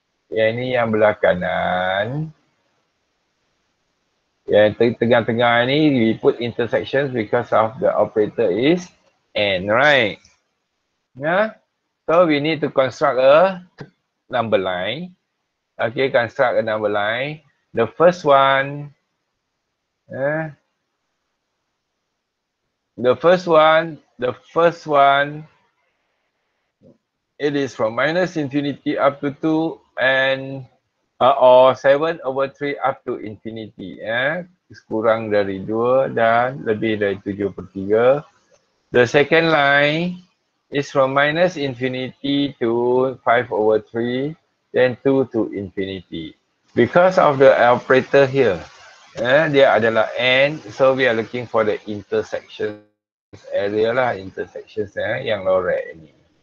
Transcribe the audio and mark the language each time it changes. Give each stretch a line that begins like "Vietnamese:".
Malay: Yang ini yang belah kanan. Yang tengah-tengah ini,
English: we put intersections because of the operator is N, right? Yeah. So we need to construct a number line. Okay, construct a number line. The first one, the first one, it is from minus infinity up to 2 and or 7 over 3 up to infinity.
Malay: Kurang dari 2 dan lebih dari 7/3.
English: The second line is from minus infinity to 5 over 3, then 2 to infinity. Because of the operator here,
Malay: dia adalah N,
English: so we are looking for the intersections area lah, intersections
Malay: yang loret ini.